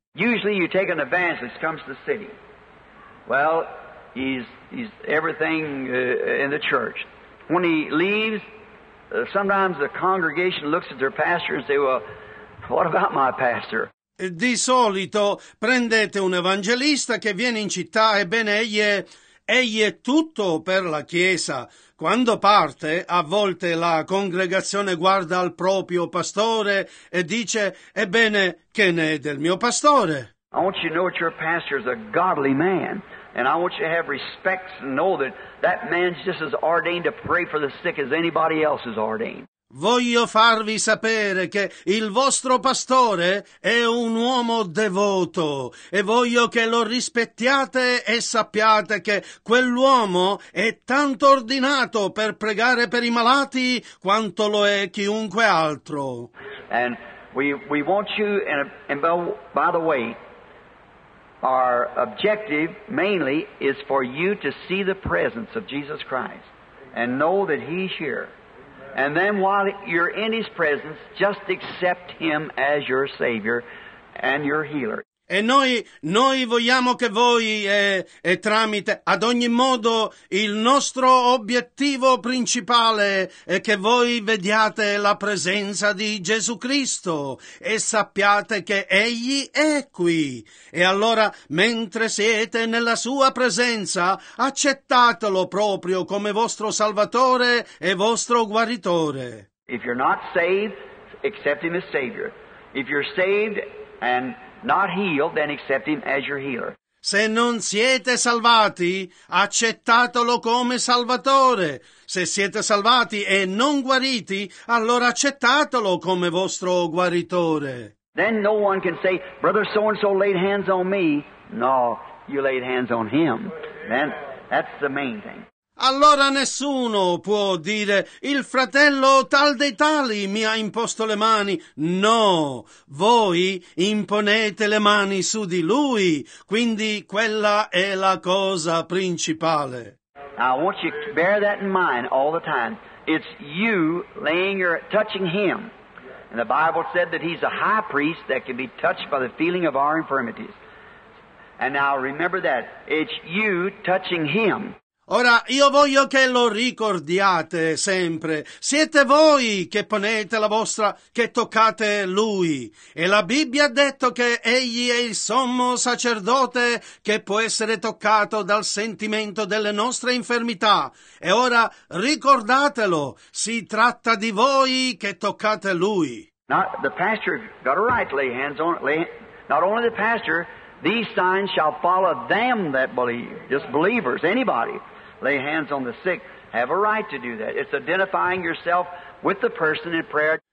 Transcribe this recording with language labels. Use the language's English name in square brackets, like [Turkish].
[English] Usually you take an evangelist comes to the city. Well, he's everything in the church. When he leaves, sometimes the congregation looks at their pastor and say, well, what about my pastor? [Italian] Di solito prendete un evangelista che viene in città, ebbene egli è tutto per la chiesa. Quando parte, a volte la congregazione guarda al proprio pastore e dice, ebbene, che ne è del mio pastore? [English] I want you to know that your pastor is a godly man. And I want you to have respect and know that that man's just as ordained to pray for the sick as anybody else is ordained. [Italian] Voglio farvi sapere che il vostro pastore è un uomo devoto e voglio che lo rispettiate e sappiate che quell'uomo è tanto ordinato per pregare per i malati quanto lo è chiunque altro. [English] And we want you, and by the way, our objective mainly is for you to see the presence of Jesus Christ and know that He's here. And then while you're in His presence, just accept Him as your Savior and your healer. [Italian] E noi vogliamo che voi, e tramite, ad ogni modo, il nostro obiettivo principale è che voi vediate la presenza di Gesù Cristo e sappiate che Egli è qui. E allora, mentre siete nella Sua presenza, accettatelo proprio come vostro Salvatore e vostro guaritore. [English] If you're not saved, accept Him as Savior. If you're saved and not healed, then accept Him as your healer. [Italian] Se non siete salvati, accettatelo come Salvatore. Se siete salvati e non guariti, allora accettatelo come vostro guaritore. [English] Then no one can say, Brother so and so laid hands on me. No, you laid hands on him. Then that's the main thing. [Italian] Allora nessuno può dire il fratello tal dei tali mi ha imposto le mani. No, voi imponete le mani su di lui, quindi quella è la cosa principale. [English] Now, I want you to bear that in mind all the time. It's you laying your touching him. And the Bible said that he's a high priest that can be touched by the feeling of our infirmities. And now remember that it's you touching him. [Italian] Ora, io voglio che lo ricordiate sempre. Siete voi che ponete la vostra, che toccate Lui. E la Bibbia ha detto che Egli è il sommo sacerdote che può essere toccato dal sentimento delle nostre infermità. E ora, ricordatelo, si tratta di voi che toccate Lui. [English] Not the pastor got a right to lay hands on, not only the pastor. These signs shall follow them that believe, just believers, anybody. Lay hands on the sick, have a right to do that. It's identifying yourself with the person in prayer.